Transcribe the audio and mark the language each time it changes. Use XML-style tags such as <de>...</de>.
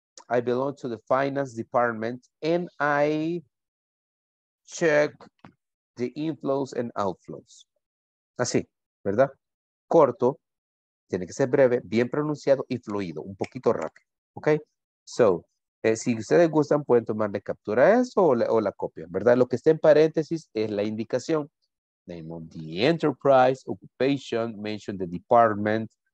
<en>I belong to the finance department and I check the inflows and outflows.</en> <es>Así, ¿verdad? Corto, tiene que ser breve, bien pronunciado y fluido, un poquito rápido. ¿Ok? So, si ustedes gustan, pueden tomarle captura a eso o la copia, ¿verdad? Lo que está en paréntesis es la indicación.</es> <en>Name of the enterprise, occupation, mention the department.</en>